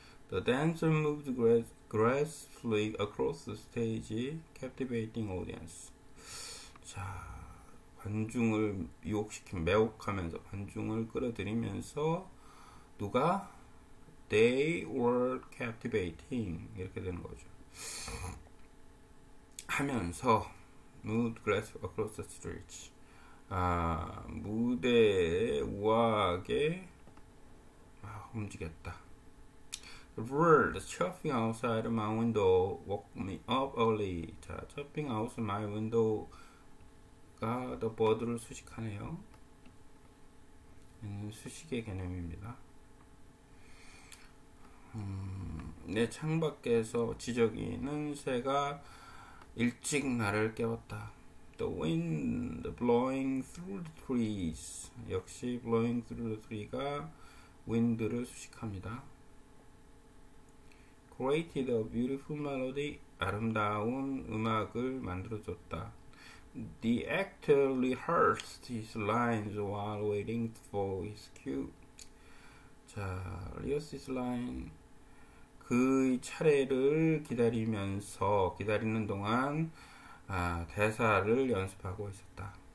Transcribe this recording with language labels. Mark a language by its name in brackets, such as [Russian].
[English] The dancer moved gracefully across the stage, captivating audience. [Korean] 자, 관중을 유혹시킨, 매혹하면서 관중을 끌어들이면서 누가? [English] They were captivating. [Korean] 이렇게 되는 거죠. 하면서 [English] moved gracefully across the stage. [Korean] 무대에 우아하게 움직였다. [English] Bird chirping outside my window woke me up early. 자, chirping outside my window가 the bird를 [Korean] 수식하네요. 수식의 개념입니다. 내 창밖에서 지저귀는 새가 일찍 나를 깨웠다. [English] The wind blowing through the trees. 역시 blowing through the tree가 wind를 [Korean] 수식합니다. [English] Created a beautiful melody. [Korean] 아름다운 음악을 만들어줬다. [English] The actor rehearsed his lines while waiting for his cue. 자, rehearsed his line. [Korean] 그의 차례를 기다리면서, 기다리는 동안, 대사를 연습하고 있었다.